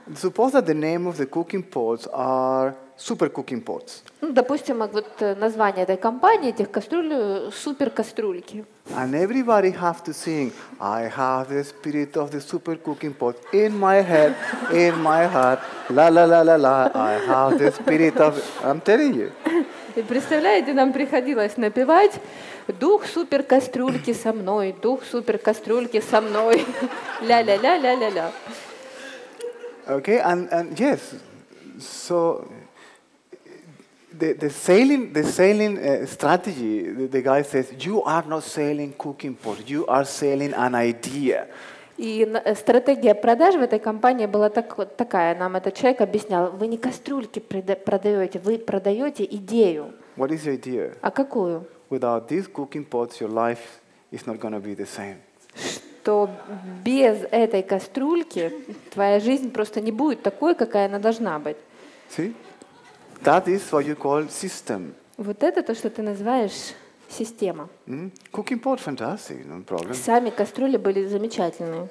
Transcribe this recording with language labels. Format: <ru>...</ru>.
<en>Suppose that the name of the cooking pots are super cooking pots.</en> <ru>Допустим, вот название этой компании, этих кастрюль, супер кастрюльки.</ru> <en>And everybody have to sing, I have the spirit of the super cooking pot in my head, in my heart, la la la la la, I have the spirit of, I'm telling you.</en> <ru>И представляете, нам приходилось напевать «Дух супер кастрюльки со мной, дух супер кастрюльки со мной, ля-ля-ля-ля-ля-ля».</ru> <en>Okay, and yes, so the sailing strategy, the guy says, you are not sailing cooking pot, you are sailing an idea.</en> <ru>И стратегия продаж в этой компании была такая. Нам этот человек объяснял, вы не кастрюльки продаете, вы продаете идею.</ru> <en>What is your idea?</en> <ru>А какую?</ru> <en>Without these cooking pots, your life is not going to be the same.</en> <ru>Что без этой кастрюльки твоя жизнь просто не будет такой, какая она должна быть.</ru> <en>See? That is what you call system.</en> <ru>Вот это то, что ты называешь... система.</ru> <en>Mm-hmm. Cooking pot, fantastic, no problem.</en> <ru>Сами кастрюли были замечательные.</ru>